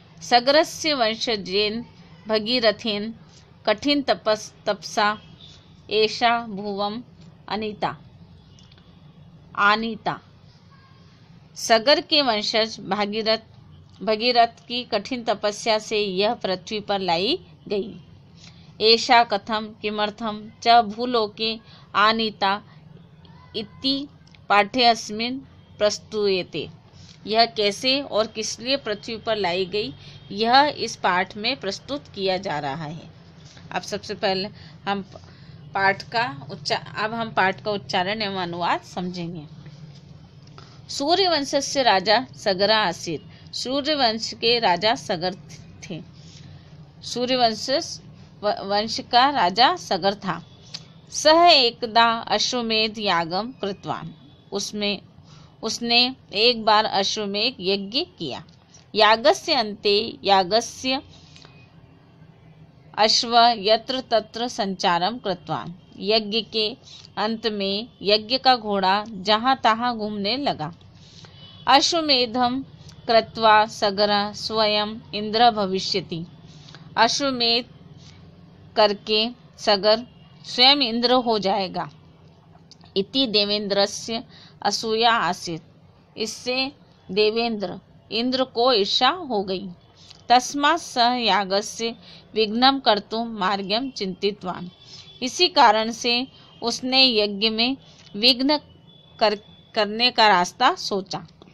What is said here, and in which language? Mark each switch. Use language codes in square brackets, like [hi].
[sa] सगरस्य वंशजेन भगीरथेन कठिन तपसा एषा भुवम अनीता आनीता। [hi] सगर के वंशज भगीरथ की कठिन तपस्या से यह पृथ्वी पर लाई गई। [sa] एषा कथम किमर्थम च भूलोके आनीता इति पाठ्यस्मिन् प्रस्तुयते। [hi] यह कैसे और किस लिए पृथ्वी पर लाई गई, यह इस पाठ में प्रस्तुत किया जा रहा है। अब सबसे पहले हम पाठ का उच्चारण एवं अनुवाद समझेंगे। [sa] सूर्यवंशस्य राजा सगर आसीत। [hi] सूर्यवंश के राजा सगर थे। सूर्यवंश का राजा सगर था। [sa] सह एकदा अश्वमेध यागम कृतवान। [hi] उसने एक बार अश्वमेध यज्ञ किया। [sa] यागस्य अन्ते यागस्य अश्व यत्र तत्र संचारम कृतवान। [hi] यज्ञ के अंत में यज्ञ का घोड़ा जहां तहां घूमने लगा। [sa] अश्वमेधम कृत्वा सगर स्वयं इंद्र भविष्यति। [hi] अश्वमेध करके सगर स्वयं इंद्र हो जाएगा। [sa] इति देवेंद्रस्य असूया आसीत। [hi] इससे देवेंद्र इंद्र को ईर्ष्या हो गई। [sa] तस्मा स यागस्य विघ्नम कर्तुं मार्गम चिंतितवान। [hi] इसी कारण से उसने यज्ञ में विघ्न करने का रास्ता सोचा।